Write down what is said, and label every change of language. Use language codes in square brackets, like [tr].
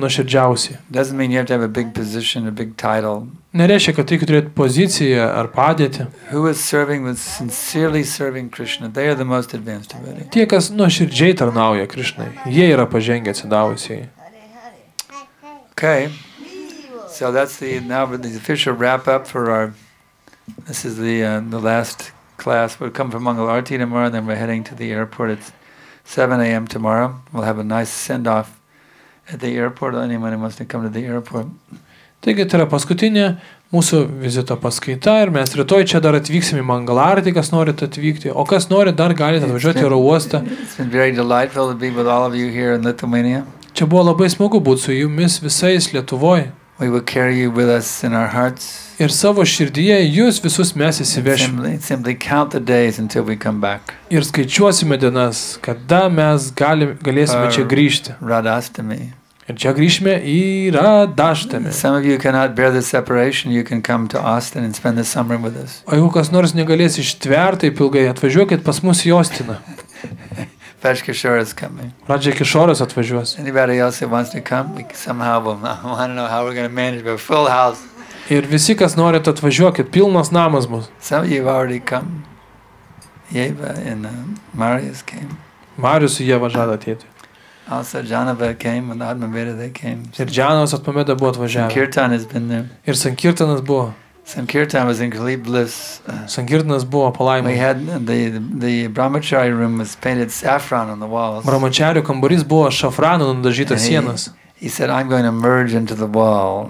[lt] nuoširdžiausiai. Nereiškia, kad reikia turėti poziciją ar padėtį. [en] Who is serving with sincerely serving Krishna? They are the most advanced devotee. [lt] Tie, kas nuoširdžiai tarnauja Krishnai, jie yra pažengę atsidavusieji. [en] Okay. So that's the now the official wrap up for our this is the last class. We'll come from Mangalarti tomorrow and then we're heading to the airport. It's 7 a.m. tomorrow. We'll have a nice send off at the airport. Anyone who wants to come to the airport. [lt] Taigi, tai yra paskutinė mūsų vizito paskaita ir mes rytoj čia dar atvyksim į Mangalartį, kas norit atvykti, o kas norit, dar galite atvažiuoti į oro uostą. Čia buvo labai smagu būti su jumis visais Lietuvoje. Ir savo širdyje jūs visus mes įsivešim. Ir skaičiuosime dienas, kada mes galėsime čia grįžti. Radastami. Ir čia grįžime į Radhashtami. [en] Some of you cannot bear the separation, you can come to Austin and spend the summer with us. [lt] O jeigu kas nors negalės ištverti ilgai, atvažiuokit pas mus į Austiną. [en] Raja Kishore is coming. [lt] Raja Kishore atvažiuos. [en] Anybody else who wants to come, we somehow will, I don't know how we're going to manage, but full house. [lt] Ir visi, kas norit, atvažiuokit, pilnas namas bus. [en] Some of you have already come. Jeva and Marius came. [lt] Marius su Jeva žada atėti. [en] Also Janava came and Admaveda they came. [lt] Ir Janavas atpameda buvo atvažiavę. [en] Sankirtan has been there. [lt] Ir Sankirtanas buvo. [en] Sankirtan was in Kali Bliss. [lt] Sankirtanas buvo palaimai. [en] We had the Brahmachari room was painted saffron on the walls. [lt] Brahmachario kambarys buvo šafranu nudažytas sienas. [en] He said, I'm going to merge into the wall.